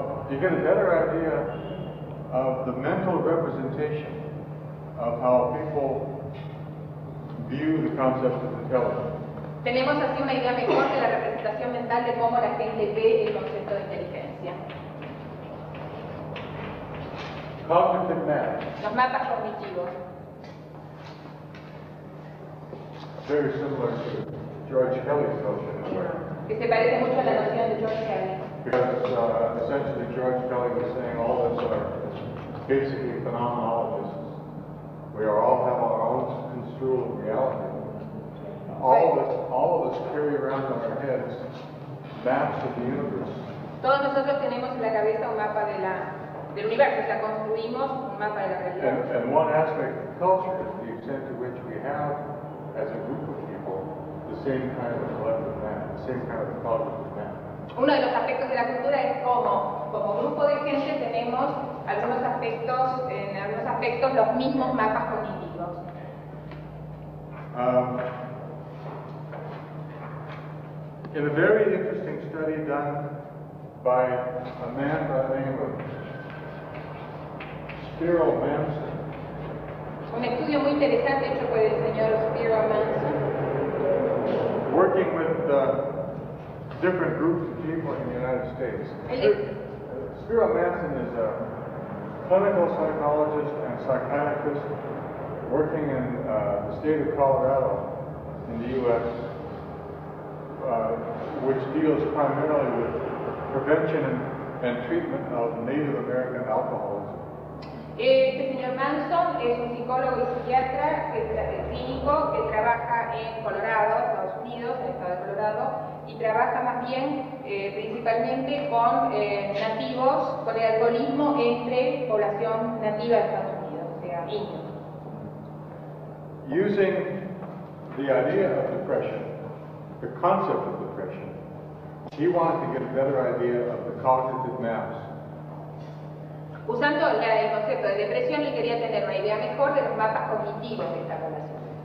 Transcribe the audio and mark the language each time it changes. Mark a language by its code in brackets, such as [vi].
[en] You get a better idea of the mental representation of how people view the concept of intelligence. [es] Tenemos así una idea mejor de la representación mental de cómo la gente ve el concepto de inteligencia. [en] Cognitive maps. [es] Los mapas cognitivos. [en] Very similar to George Kelly's notion, [es] que se parece mucho a la noción de George Kelly. [en] Because essentially George Kelly was saying all of us are basically phenomenologists. We are all have our own construal of reality. All of us carry around on our heads maps of the universe. [es] Todos nosotros tenemos en la cabeza un mapa del universo, o sea, construimos un mapa de la realidad. [en] And one aspect of culture is the extent to which we have, as a group of people, the same kind of collective map, the same kind of cognitive map. [es] Uno de los aspectos de la cultura es como grupo de gente tenemos algunos aspectos, en algunos aspectos los mismos mapas cognitivos. [en] In a very interesting study done by a man by the name of Spiro Manson. [es] Un estudio muy interesante hecho por el señor Spiro Manson. [en] Working with different groups of people in the United States. Spiro Manson is a clinical psychologist and psychiatrist working in the state of Colorado in the U.S., which deals primarily with prevention and treatment of Native American alcoholism. [es] Este señor Manson es un psicólogo y psiquiatra clínico que trabaja en Colorado, Estados Unidos, el estado de Colorado, y trabaja más bien principalmente con nativos, con el alcoholismo entre población nativa de Estados Unidos, o sea, niños. [en] Using the idea of depression, the concept of depression, he wanted to get a better idea of the cognitive maps. [es] Usando el concepto de depresión, él quería tener una idea mejor de los mapas cognitivos de esta población.